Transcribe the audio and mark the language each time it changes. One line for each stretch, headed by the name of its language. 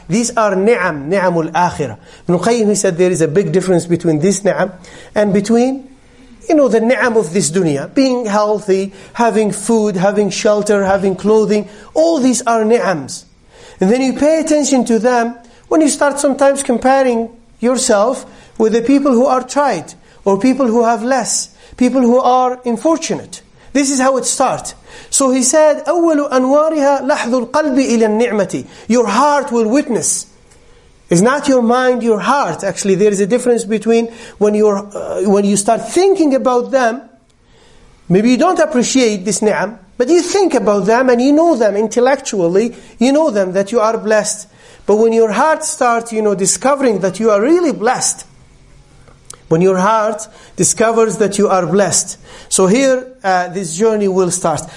English: These are ni'am, ni'amul akhirah. Ibn Qayyim, he said there is a big difference between this ni'am and between, you know, the ni'am of this dunya, being healthy, having food, having shelter, having clothing, all these are ni'ams. And then you pay attention to them when you start sometimes comparing yourself with the people who are tried, or people who have less, people who are unfortunate. This is how it starts. So he said,
Arabic: أول أنوارها لحظ القلب إلى النعمة.
English: Your heart will witness. It's not your mind, your heart. Actually, there is a difference between when you start thinking about them. Maybe you don't appreciate this ni'am, but you think about them and you know them intellectually. You know them, that you are blessed. But when your heart starts, you know, discovering that you are really blessed, when your heart discovers that you are blessed, so here this journey will start.